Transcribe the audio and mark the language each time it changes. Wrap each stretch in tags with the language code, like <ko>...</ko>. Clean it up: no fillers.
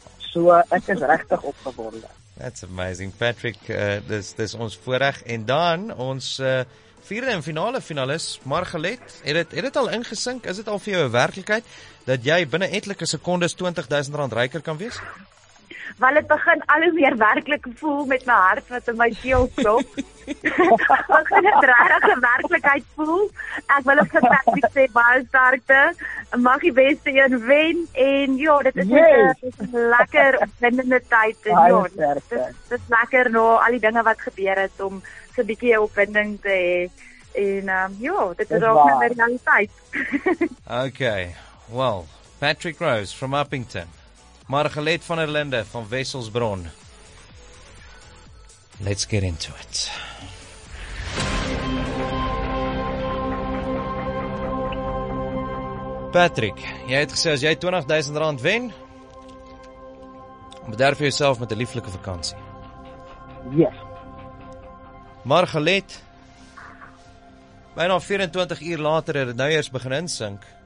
<af>So ek is regtig opgewonde.</af> <en>That's amazing,</en> <af>Patrick. Dis ons voorreg en dan ons vierde en finale finalis, Margalet. Het dit al ingesink? Is dit al vir jou 'n werklikheid dat jy binne etlike sekondes R20,000 ryker kan wees? Wel, het begin al hoe meer werklik voel met my hart wat in my keel klop. Ek kan dit regtig 'n werklikheid voel. Ek wil ook vir Patrick sê baie sterkte. Mag die beste een wen en ja, dit is 'n lekker opwindende tyd en ja. Dit is lekker na nou, al die dinge wat gebeur het om so 'n bietjie opwinding te hê en ja, dit is ook 'n realiteit.</af> <en>Okay. Well, Patrick Rose from Upington.</en> <af>Margalet van der Linde van Wesselsbron.</af> <en>Let's get into it.</en> <af>Patrick, jy het gesê as jy R20,000 wen, bederf jy jouself met 'n lieflike vakansie.</af> <en>Yes.</en> <af>Margalet, byna 24 uur later het dit nou eers begin insink.</af>